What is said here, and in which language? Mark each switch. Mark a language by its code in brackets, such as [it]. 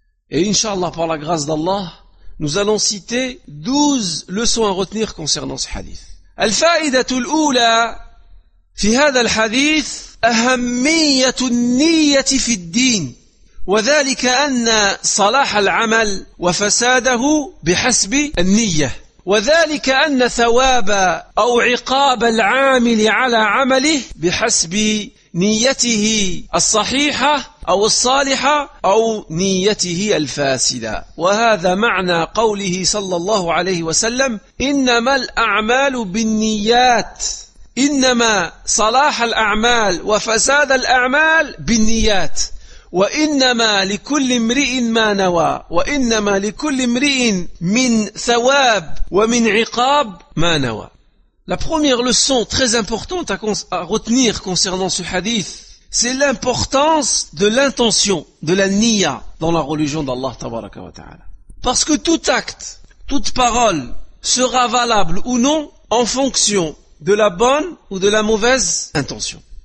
[fr] Et Inch'Allah, par la grâce d'Allah, nous allons citer 12 leçons à retenir concernant ce hadith. [ar] Al-fa'idatu al-oula fi hadha al-hadith ahammiyatu an-niyyati fi ad-din wa dhalika anna salah al-amal wa fasadahu bihasbi an-niyyah wa dhalika anna thawaba aw 'iqaba al-'amil 'ala 'amalihi bihasbi niyyatihi as-sahiha أو الصالحة أو نيته الفاسدة وهذا معنى قوله صلى الله عليه وسلم إنما الأعمال بالنيات إنما صلاح الأعمال وفساد الأعمال بالنيات وإنما لكل امرئ ما نوى وإنما لكل امرئ من ثواب ومن عقاب ما نوى. [fr] La première leçon très importante à retenir concernant ce hadith, c'est l'importance de l'intention, de la niya dans la religion d'Allah tabaraka wa ta'ala. Parce que tout acte, toute parole sera valable ou non en fonction de la bonne ou de la mauvaise intention.